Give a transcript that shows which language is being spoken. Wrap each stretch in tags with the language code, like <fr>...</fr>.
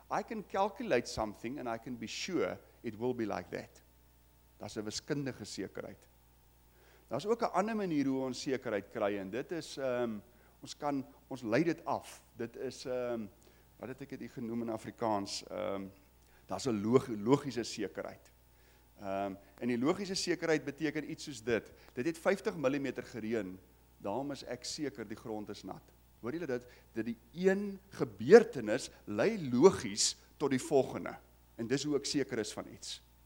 <en>I can calculate something and I can be sure it will be like that.</en> <af>Daar's 'n wiskundige sekerheid. Daar's ook 'n ander manier hoe ons sekerheid kry en dit is, ons lei dit af. Dit is, wat het ek dit genoem in Afrikaans? Daar's 'n logiese sekerheid. En die logiese sekerheid beteken iets soos dit. Dit het 50 mm gereën, daarom is ek seker die grond is nat. Hoor julle dit? Dat die een gebeurtenis lei logies tot die volgende. En dis hoe ek seker is van iets.</af>